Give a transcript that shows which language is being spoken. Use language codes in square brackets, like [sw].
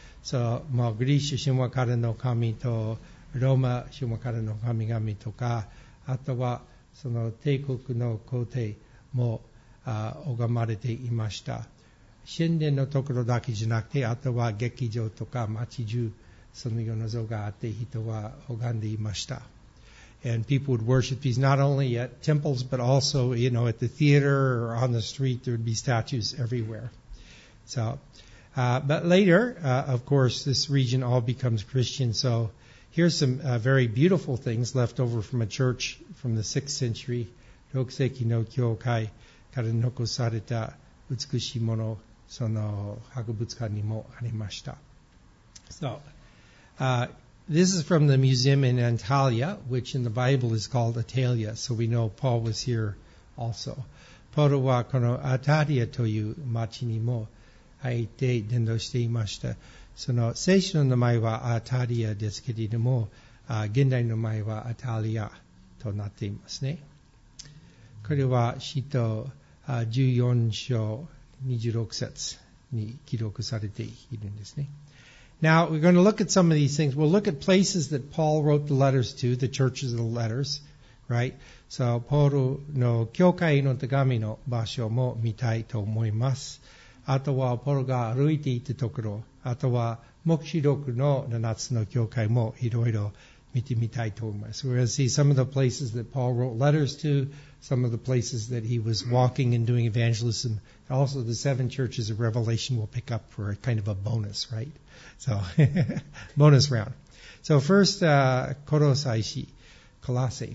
[ja] So, まあ、グリシャ神話からの神と、ローマ神話からの神々とか、あとはその帝国の皇帝も拝まれていました。神殿のところだけじゃなくて、あとは劇場とか町中、そのような像があって人は拝んでいました。 [en] And people would worship these not only at temples but also, you know, at the theater or on the street, there would be statues everywhere. So, but later, of course, this region all becomes Christian. So here's some very beautiful things left over from a churchfrom the 6th century, [ja] 6世紀の教会から残された美しいもの、その博物館にもありました。 [en] So, this is from the museum in Antalya, which in the Bible is called Atalia, so we know Paul was here also. [ja] パウロはこのアタリアという町にも入って伝道していました。その聖書の名前はアタリアですけれども、現代の名前はアタリアとなっていますね。これは使徒14章26節に記録されているんですね。 [en] Now we're going to look at some of these things. We'll look at places that Paul wrote the letters to, the churches of the letters, right? [ja] So ポールの教会の手紙の場所も見たいと思います。あとはポールが歩いていたところ、あとは黙示録の7つの教会もいろいろ見てみたいと思います。 [en] We're going to see some of the places that Paul wrote letters to, some of the places that he was walking and doing evangelism. Also, the seven churches of Revelation will pick up for a kind of a bonus, right? So, bonus round. So first, Kolosai, Colossae.